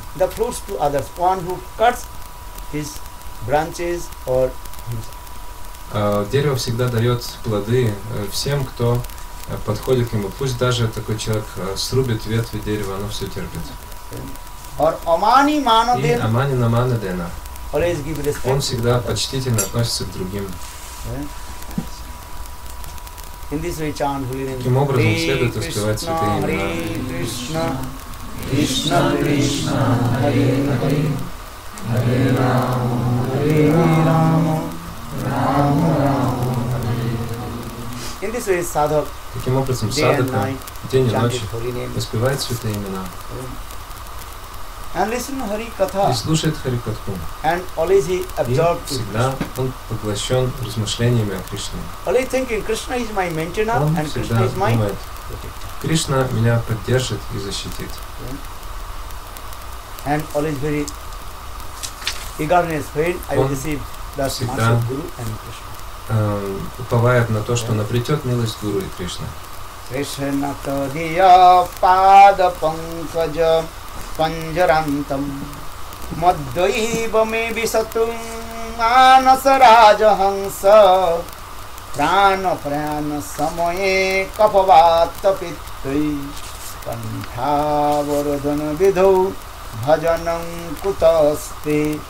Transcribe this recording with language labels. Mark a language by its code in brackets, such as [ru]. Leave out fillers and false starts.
[en] the fruits to others, one who cuts his branches or [ru] дерево всегда дает плоды всем, кто подходит к нему. Пусть даже такой человек срубит ветви дерева, оно все терпит. [sa] Or Amani Manadena. Amani na Manadena. [en] Always give respect. [ru] Он всегда почтительно относится к другим. [en] In this way, chant Hari [sa] Krishna, Hari Krishna, Krishna Krishna, Hari Hari, Hari Rama, Hari Rama, Rama Rama, Hari Hari. [en] In this way, sadhak, [ru] таким образом, садхака, день и ночь, воспевает святые имена. [en] And listen Hari Katha. [ru] И слушает Хари Катху. [en] And always he absorbed. [ru] И всегда он поглощен размышлениями о Кришне. [en] Always thinking Krishna is my maintainer and Krishna is my protector. [ru] Кришна меня поддержит и защитит. [en] And always very eagerness when I receive the mercy of Guru and Krishna. [ru] Уповает на то, что напритет милость Гуру и Кришна. [sa] Кришна тадия пада панкаджа панджарантам маддайвами висатум анасарадж ханса прана прана самое капавата питтай панхаварадан видау бхаджанам кутасти.